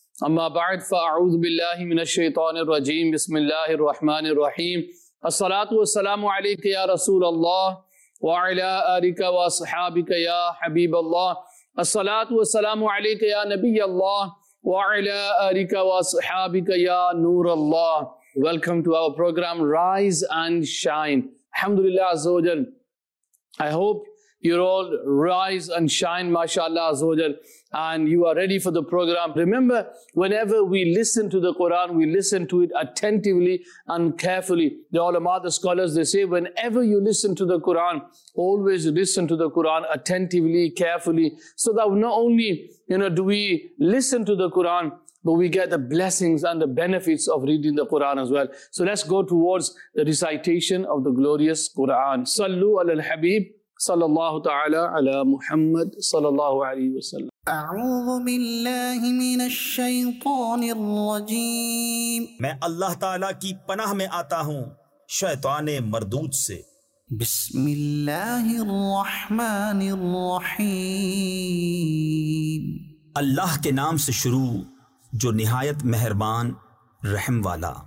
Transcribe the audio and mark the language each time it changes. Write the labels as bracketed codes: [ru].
[ar] اما بعد فاعوذ باللہ من الشیطان الرجیم بسم اللہ الرحمن الرحیم الصلاۃ والسلام علیک یا رسول اللہ وعلی آلک واصحابک یا حبیب اللہ الصلاۃ والسلام علیک یا نبی اللہ وعلی آلک واصحابک یا نور اللہ [en] welcome to our program rise and shine [ar] الحمدللہ عزوجل [en] I hope You all rise and shine, mashallah, azawajal, and you are ready for the program. Remember, whenever we listen to the Quran, we listen to it attentively and carefully. The ulama, the scholars, they say, whenever you listen to the Quran, always listen to the Quran attentively, carefully, so that not only, you know, do we listen to the Quran, but we get the blessings and the benefits of reading the Quran as well. So let's go towards the recitation of the glorious Quran. [ar] Sallu ala al-habib. صلى الله تعالى على محمد صلى الله عليه وسلم اعوذ بالله من الشيطان الرجيم [ur] میں اللہ تعالی کی پناہ میں آتا ہوں شیطان مردود سے [ar] بسم اللہ الرحمن الرحیم [ur] اللہ کے نام سے شروع جو نہایت مہربان رحم والا